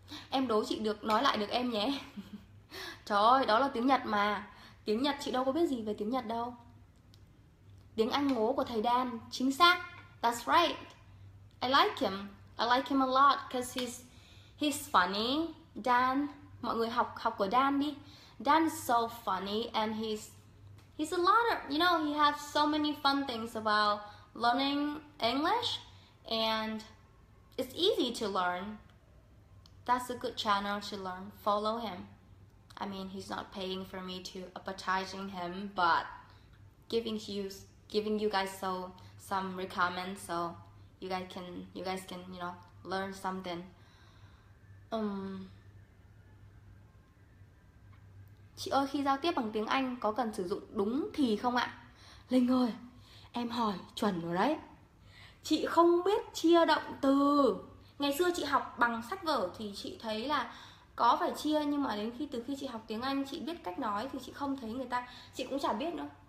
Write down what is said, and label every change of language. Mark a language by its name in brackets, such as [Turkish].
[Vietnamese] Em đố chị được nói lại được em nhé. Trời ơi, đó là tiếng Nhật mà. Tiếng Nhật chị đâu có biết gì về tiếng Nhật đâu. Tiếng Anh ngố của thầy Dan, chính xác. [English] That's right. I like him a lot cuz he's funny. [Vietnamese] Dan, mọi người học của Dan đi. [English] Dan is so funny and he's a lot of, you know, he has so many fun things about learning English and it's easy to learn. That's a good channel to learn. Follow him. I mean, he's not paying for me to advertising him, but giving you guys some recommend, so you guys can you know learn something. [Vietnamese] Chị ơi, khi giao tiếp bằng tiếng Anh có cần sử dụng đúng thì không ạ? Linh ơi, em hỏi chuẩn rồi đấy. Chị không biết chia động từ. Ngày xưa chị học bằng sách vở thì chị thấy là có phải chia, nhưng mà đến khi từ khi chị học tiếng Anh chị biết cách nói thì chị không thấy người ta, chị cũng chả biết nữa.